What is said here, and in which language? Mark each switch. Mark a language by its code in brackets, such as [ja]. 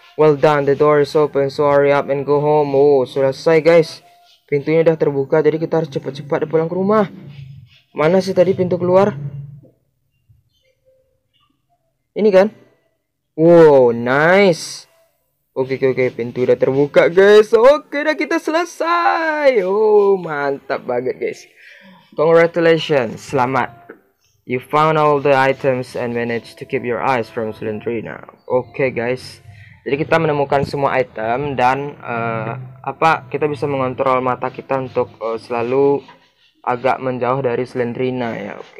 [en] Well done, the door is open, so hurry up and go home. [id] Selesai guys. Pintunya udah terbuka, jadi kita harus cepat-cepat pulang ke rumah. Mana sih tadi pintu keluar? Ini kan? Wow, nice. Oke, pintu udah terbuka guys. Oke, udah kita selesai. Mantap banget guys. [en] Congratulations, selamat. You found all the items and managed to keep your eyes from Slendrina. [id] Oke guys. Jadi kita menemukan semua item dan kita bisa mengontrol mata kita untuk selalu agak menjauh dari Slendrina ya.